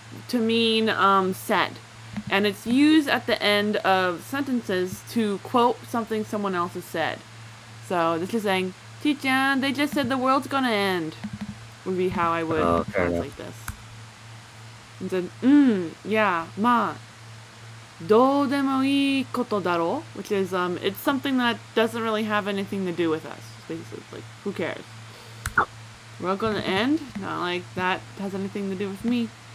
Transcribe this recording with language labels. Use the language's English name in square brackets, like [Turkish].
[English] To mean said. And it's used at the end of sentences to quote something someone else has said. So this is saying, Ti-chan, they just said the world's gonna end, would be how I would translate enough. This. And then, yeah, ma. [Japanese] どうでもいいことだろう? [English] Which is, it's something that doesn't really have anything to do with us. Basically, like, who cares? We're going to end? Not like that has anything to do with me.